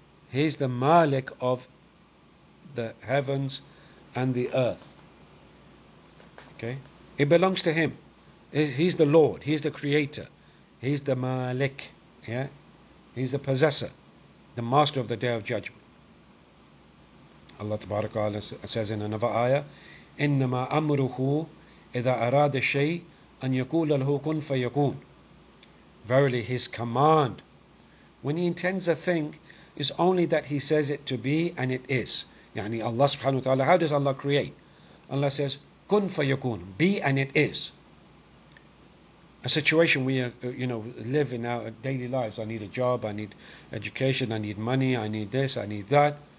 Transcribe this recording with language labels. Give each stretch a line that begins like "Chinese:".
English: He is the Malik of the heavens and the earth. Okay? It belongs to him. He's the Lord. He is the creator. He's the Malik. Yeah? He's the possessor, the master of the day of judgment. Allah Ta'ala says in another ayah,
Arabic: إِنَّمَا أَمْرُهُ إِذَا أَرَادَ شَيْءٍ أَنْ يَكُولَ لَهُ كُنْ فَيَكُونَ.
English: Verily, his command, when he intends a thing, is only that he says it to be and it is. Yani Allah subhanahu wa ta'ala, how does Allah create? Allah says,
Arabic: كُنْ فَيَكُونَ,
English: be and it is. A situation we live in our daily lives. I need a job, I need education, I need money, I need this, I need that.